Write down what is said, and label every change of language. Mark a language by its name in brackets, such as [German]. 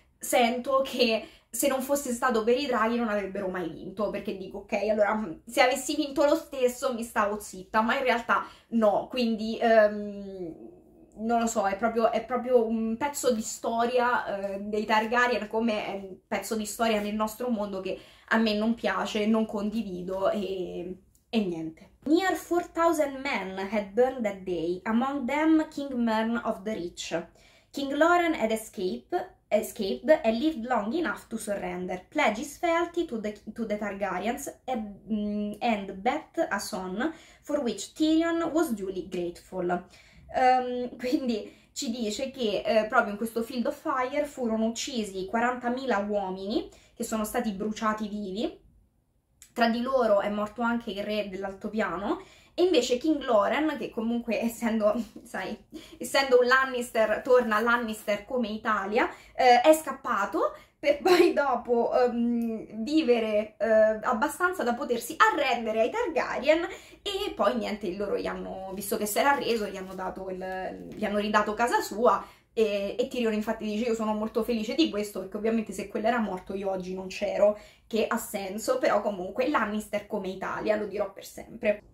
[Italian] sento che se non fosse stato per i draghi non avrebbero mai vinto, perché dico, ok, allora se avessi vinto lo stesso mi stavo zitta, ma in realtà no, quindi non lo so, è proprio un pezzo di storia dei Targaryen, come è un pezzo di storia nel nostro mondo che a me non piace, non condivido e niente. [English] Near 4000 men had burned that day, among them King Mern of the Reach, King Loren had escaped, escaped and lived long enough to surrender. Pledges fealty to the Targaryens and bet a son, for which Tyrion was duly grateful. [Italian] Quindi ci dice che proprio in questo Field of Fire furono uccisi 40.000 uomini che sono stati bruciati vivi. Tra di loro è morto anche il re dell'Altopiano. E invece King Loren, che comunque essendo, sai, essendo un Lannister, torna Lannister come Italia, è scappato per poi dopo vivere abbastanza da potersi arrendere ai Targaryen e poi niente, loro gli hanno, visto che si era arreso, gli hanno ridato casa sua e Tyrion infatti dice io sono molto felice di questo perché ovviamente se quello era morto io oggi non c'ero, che ha senso, però comunque Lannister come Italia lo dirò per sempre.